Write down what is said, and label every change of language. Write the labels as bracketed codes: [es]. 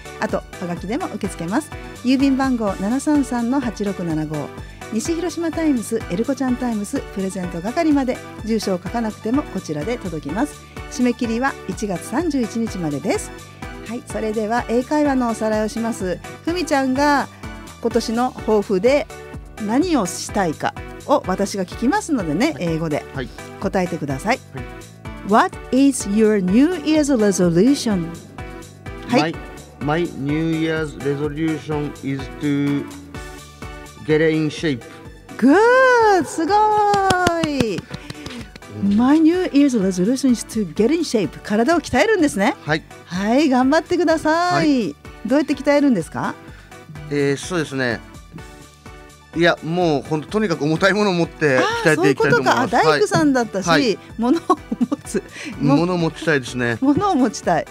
[ja] あとはがきでも受け付けます。郵便番号 733-8675、西広島タイムス、エルコちゃんタイムス、プレゼント係まで、住所を書かなくてもこちらで届きます。締め切りは1月31日までです。はい、それでは英会話のおさらいをします。ふみちゃんが今年の抱負で何をしたいかを私が聞きますのでね、英語で答えてください。はい、 [en] What is your New Year's resolution? My New Year's resolution is to... Get in shape. Good! [ja] すごい、うん、 [en] My New Year's resolution is to get in shape. [ja] 体を鍛えるんですね。はい。はい、頑張ってください。はい、どうやって鍛えるんですか？そうですね。いや、もう本当とにかく重たいものを持って鍛えていきたいと思います。あ、そういうことか。はい、大工さんだったし、はい、物を持つ。物を持ちたいですね。物を持ちたい。